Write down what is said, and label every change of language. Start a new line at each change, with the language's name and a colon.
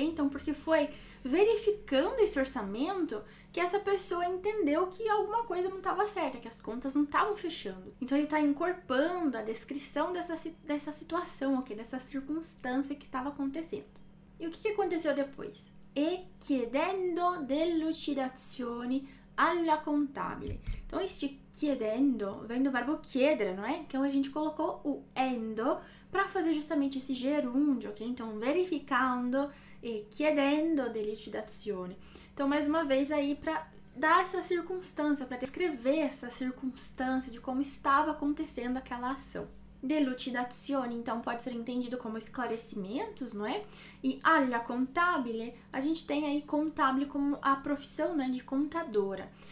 Portuguese: Então, porque foi verificando esse orçamento que essa pessoa entendeu que alguma coisa não estava certa, que as contas não estavam fechando. Então, ele está encorpando a descrição dessa situação, ok? Dessa circunstância que estava acontecendo. E o que aconteceu depois?
Italian: E chiedendo delucidazioni alla contabile.
Portuguese: Então, este chiedendo vem do verbo chiedere, não é? Então, a gente colocou o endo para fazer justamente esse gerúndio, ok? Então, verificando e
Italian: chiedendo delucidazioni.
Portuguese: Então, mais uma vez aí, para dar essa circunstância, para descrever essa circunstância de como estava acontecendo aquela ação. Delucidazioni, então, pode ser entendido como esclarecimentos, não é? E alla contabile, a gente tem aí contabile como a profissão, né, de contadora.